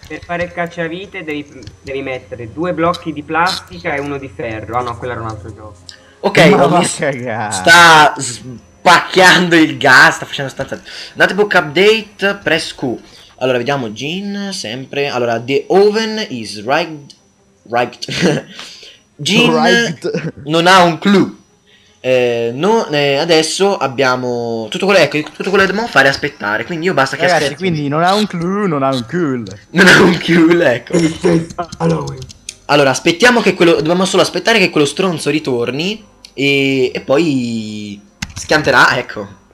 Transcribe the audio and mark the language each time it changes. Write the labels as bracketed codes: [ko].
[it] Per fare il cacciavite devi mettere due blocchi di plastica e uno di ferro, ah no, quello era un altro gioco. Ok, ho visto, sta spacchiando il gas, sta facendo stanza. [en] Notebook update, press Q. [it] Allora, vediamo Jean, sempre. Allora, [en] the oven is rigged. Rigged. Jean rigged. [it] Non ha un clue. Adesso abbiamo tutto quello, ecco, tutto quello che dobbiamo fare è aspettare. Quindi io basta che ragazzi, aspetti. Quindi non ha un clue, non ha un cool. Non ha un cool, ecco. Allora, aspettiamo che quello... Dobbiamo solo aspettare che quello stronzo ritorni e poi schianterà, ecco.